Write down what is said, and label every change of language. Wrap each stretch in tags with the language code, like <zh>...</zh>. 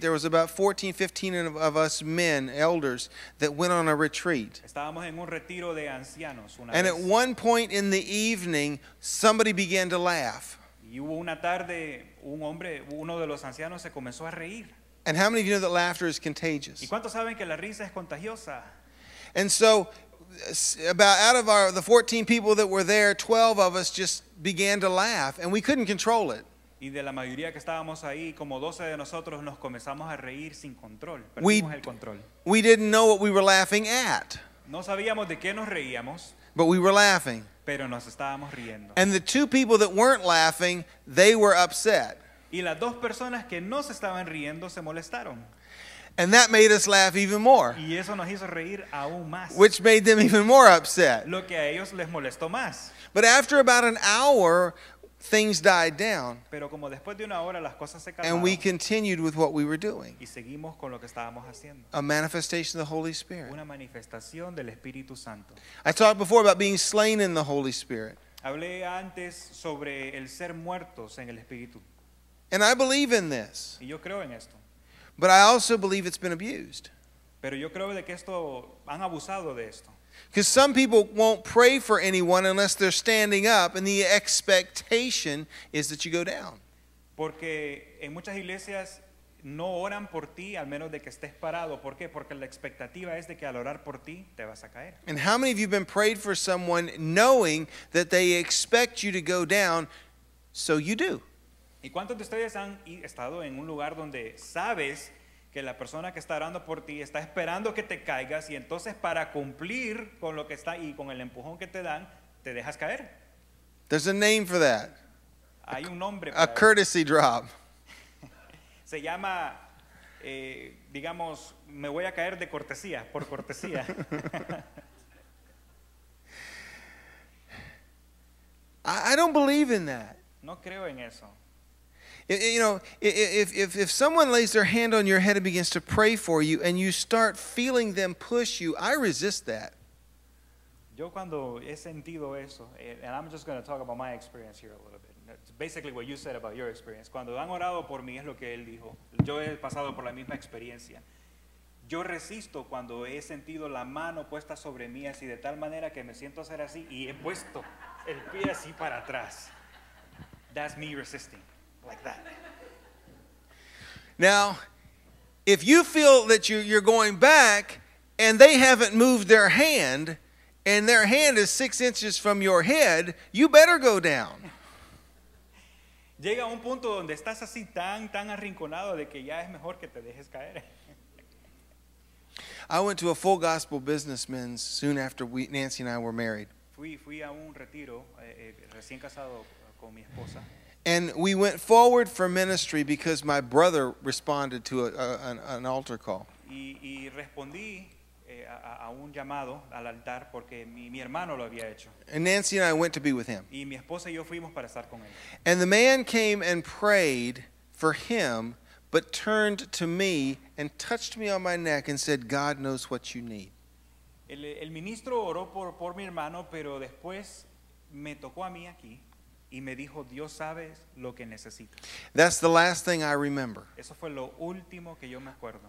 <en>There was about 14-15 of us men, elders, that went on a retreat.</en> <es>Estábamos en un retiro de ancianos una</es> <en>and</en> <es>vez.</es> <en>At one point in the evening, somebody began to laugh.</en> <es>Y hubo una tarde, un hombre, uno de los ancianos se comenzó a reír.</es> <en>And how many of you know that laughter is contagious?</en> <es>¿Y cuántos saben que la risa es contagiosa?</es> <en>And so, about out of the 14 people that were there, 12 of us just began to laugh, and we couldn't control it.</en> <es>Y de la mayoría que estábamos ahí, como 12 de nosotros, nos comenzamos a reír sin control. Perdimos el control.</es> <en>We didn't know what we were laughing at.</en> <es>No sabíamos de qué nos reíamos.</es> <en>But we were laughing.</en> <es>Pero nos estábamos riendo.</es> <en>And the two people that weren't laughing, they were upset.</en> <es>Y las dos personas que no se estaban riendo se molestaron.</es> <en>And that made us laugh even more.</en> <es>Y eso nos hizo reír aún más.</es> <en>Which made them even more upset.</en> <es>Lo que a ellos les molestó más.</es> <en>But after about an hour, things died down.</en> <es>Pero como después de una hora, las cosas se calmaron.</es> <en>And we continued with what we were doing.</en> <es>Y seguimos con lo que estábamos haciendo.</es> <en>A manifestation of the Holy Spirit.</en> <es>Una manifestación del Espíritu Santo.</es> <en>I talked before about being slain in the Holy Spirit.</en> <es>Hablé antes sobre el ser muertos en el Espíritu.</es> <en>And I believe in this.</en> <es>Y yo creo en esto.</es> <en>But I also believe it's been abused.</en> <es>Pero yo creo de que esto han abusado de esto.</es> <en>Because some people won't pray for anyone unless they're standing up, and the expectation is that you go down.</en> <es>Porque en muchas iglesias no oran por ti al menos de que estés parado. ¿Por qué? Porque la expectativa es de que al orar por ti te vas a caer.</es> <en>And how many of you have been prayed for someone knowing that they expect you to go down, so you do?</en> <es>¿Y cuántos de ustedes han estado en un lugar donde sabes que la persona que está orando por ti está esperando que te caigas y entonces para cumplir con lo que está y con el empujón que te dan, te dejas caer?</es> <en>There's a name for that.</en> <es>Hay un nombre para eso.</es> <en>A courtesy drop.</en> <es>Se llama, digamos, me voy a caer de cortesía, por cortesía.</es> <en>I don't believe in that.</en> <es>No creo en eso.</es> <en>You know, if someone lays their hand on your head and begins to pray for you and you start feeling them push you, I resist that.</en> <es>Yo cuando he sentido eso,</es> <en>and I'm just going to talk about my experience here a little bit. It's basically what you said about your experience.</en> <es>Cuando han orado por mí, es lo que él dijo. Yo he pasado por la misma experiencia. Yo resisto cuando he sentido la mano puesta sobre mí así de tal manera que me siento hacer así y he puesto el pie así para atrás.</es> <en>That's me resisting. Like that. Now, if you feel that you're going back and they haven't moved their hand and their hand is 6 inches from your head, you better go down.</en> <es>Llega un punto donde estás así tan arrinconado de que ya es mejor que te dejes caer.</es> <en>I went to a full gospel businessman soon after Nancy and I were married.</en> <es>Fui a un retiro recién casado con mi esposa.</es> <en>And we went forward for ministry because my brother responded to an altar call.</en> <es>Y respondí a un llamado al altar porque mi hermano lo había hecho.</es> <en>And Nancy and I went to be with him.</en> <es>Y mi esposa y yo fuimos para estar con él.</es> <en>And the man came and prayed for him, but turned to me and touched me on my neck and said, God knows what you need.</en> <es>El ministro oró por mi hermano, pero después me tocó a mí aquí y me dijo, Dios sabe lo que necesita.</es> <en>That's the last thing I remember.</en> <es>Eso fue lo último que yo me acuerdo.</es>